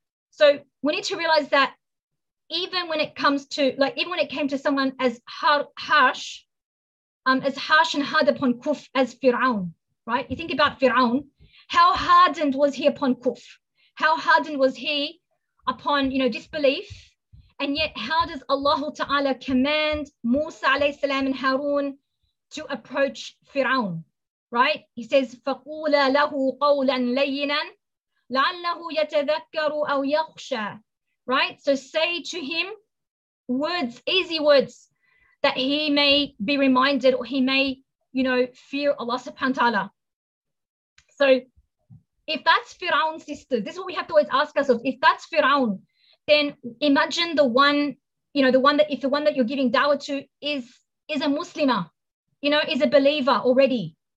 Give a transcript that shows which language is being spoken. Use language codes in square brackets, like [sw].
[en] So we need to realize that even when it comes to, like, even when it came to someone as harsh, as harsh and hard upon Kuf as Fir'aun, right? You think about Fir'aun, how hardened was he upon Kuf? How hardened was he upon, you know, disbelief? And yet, how does Allah Ta'ala command Musa alayhi salam and Harun to approach Fir'aun, right? He says, [ar] فَقُولَ لَهُ قَوْلًا لَيِّنًا لَعَلَّهُ يَتَذَكَّرُ أَوْ يَخْشَى, [en] right? So say to him words, easy words, that he may be reminded, or he may, you know, fear Allah subhanahu wa ta'ala. So if that's Fir'aun's sister, this is what we have to always ask ourselves. If that's Fir'aun, then imagine the one, you know, the one that, if the one that you're giving da'wah to is a Muslimah, you know, is a believer already.